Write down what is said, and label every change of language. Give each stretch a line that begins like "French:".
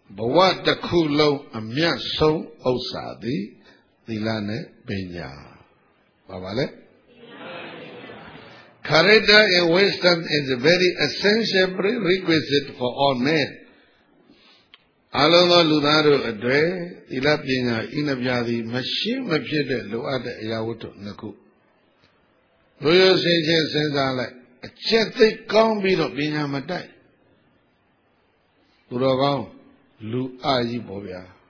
Burmese: ဘဝတစ်ခုလုံးအမြတ်ဆုံးဥစ္စာသည်သီလနဲ့ပညာ။ဘာပါလဲ?
English: Character and wisdom is a very essential prerequisite for all men.
Burmese: အလုံးစုံလူသားတို့အတွေ့သီလပညာဤနှစ်ပါးသည်မရှိမဖြစ်တဲ့လိုအပ်တဲ့အရာဝတ္ထုနှစ်ခု။ရိုးရိုးစင်စင်စဉ်းစားလိုက်အကျင့်သိကောင်းပြီးတော့ပညာမတိုက်။သူတော်ကောင်း လူအကြီးပေါ်ဗျာ